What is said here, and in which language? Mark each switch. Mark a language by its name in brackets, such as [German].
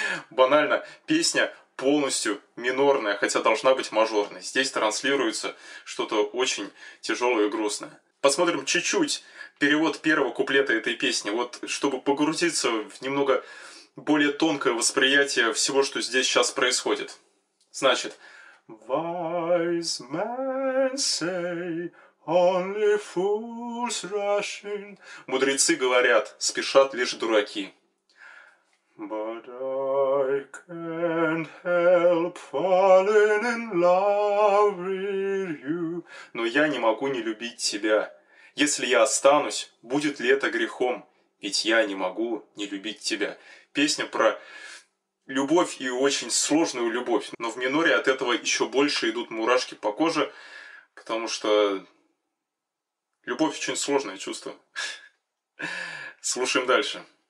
[Russian] Банально, песня полностью минорная, хотя должна быть мажорной. Здесь транслируется что-то очень тяжелое и грустное. Посмотрим чуть-чуть перевод первого куплета этой песни, вот чтобы погрузиться в немного более тонкое восприятие всего, что здесь сейчас происходит. Значит. [English] Wise men say, only fools rushing. [Russian] Мудрецы говорят, спешат лишь дураки. [English] But I can't help falling in love with you. [Russian] Но я не могу не любить тебя. Если я останусь, будет ли это грехом? Ведь я не могу не любить тебя. Песня про любовь и очень сложную любовь. Но в миноре от этого еще больше идут мурашки по коже, потому что любовь очень сложное чувство. Слушаем дальше.